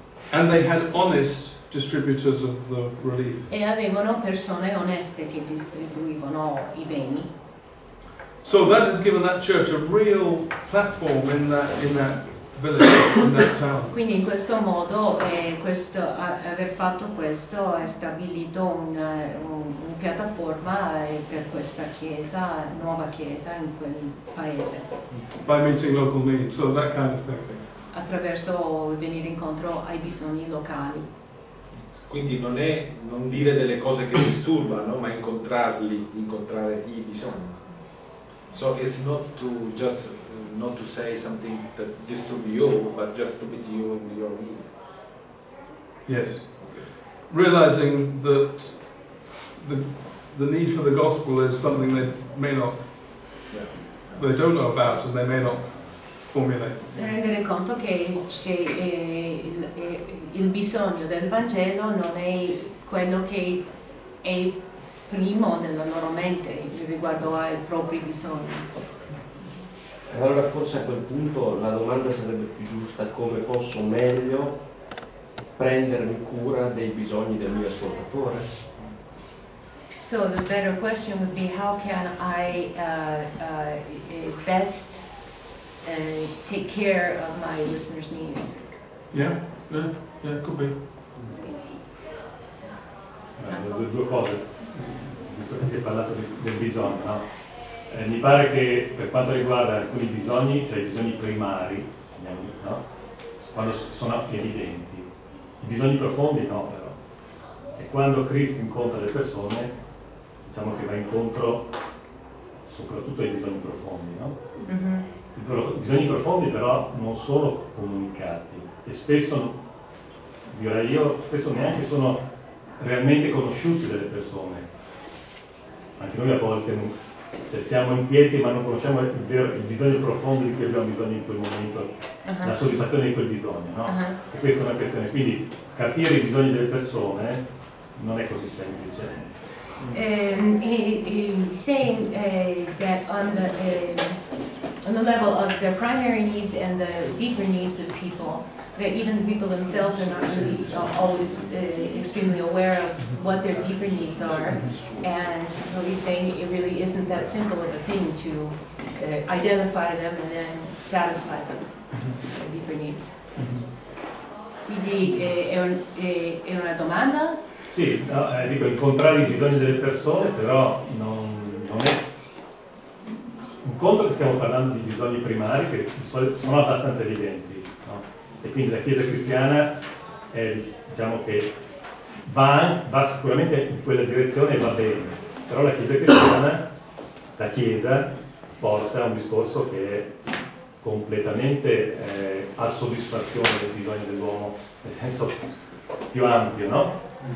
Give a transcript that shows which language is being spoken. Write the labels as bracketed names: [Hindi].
[English] And they had honest distributors of the relief. [Italian] E avevano persone oneste che distribuivano i beni. [English] So that has given that church a real platform in that village, in that town. [Italian] Quindi in questo modo aver fatto questo ha stabilito un piattaforma per questa chiesa, nuova chiesa in quel paese. [English] By meeting local needs, so that kind of thinking. [Italian] Attraverso venire incontro ai bisogni locali. Quindi non dire delle cose che disturbano, ma incontrare i bisogni. [English] So it's not to say something that disturbs you, but just to meet you in your need. Yes. Realizing that the need for the gospel is something they may not, they don't know about, and they may not formulate. [Italian] Rendere conto che c'è il bisogno del Vangelo non è quello che è primo nella loro mente riguardo ai propri bisogni. Allora forse a quel punto la domanda sarebbe più giusta: come posso meglio prendermi cura dei bisogni del mio ascoltatore? [English] So the better question would be how can I best take care of my listener's needs? Yeah, could be. [Italian] Due cose, visto che si è parlato del bisogno, no? Mi pare che per quanto riguarda alcuni bisogni, cioè i bisogni primari, no? Quando sono evidenti, i bisogni profondi no, però. E quando Cristo incontra le persone, diciamo che va incontro soprattutto ai bisogni profondi, no? Mm-hmm. I bisogni profondi però non sono comunicati e spesso, direi io, spesso neanche sono realmente conosciuti dalle persone. Anche noi a volte cioè siamo inquieti ma non conosciamo il bisogno profondo di cui abbiamo bisogno in quel momento, la soddisfazione di quel bisogno, no? E questa è una questione, quindi capire i bisogni delle persone non è così semplice. [English] he's saying that on the level of their primary needs and the deeper needs of people, that even the people themselves are not really always extremely aware of what their deeper needs are. And so he's saying it really isn't that simple of a thing to identify them and then satisfy them, their deeper needs. [Italian] Quindi è una domanda? Sì, no, dico incontrare i bisogni delle persone, però non è un conto che stiamo parlando di bisogni primari che sono abbastanza evidenti, no? E quindi la Chiesa cristiana è, diciamo che va sicuramente in quella direzione e va bene, però la Chiesa cristiana, la Chiesa, porta un discorso che è completamente a soddisfazione dei bisogni dell'uomo, nel senso più ampio, no?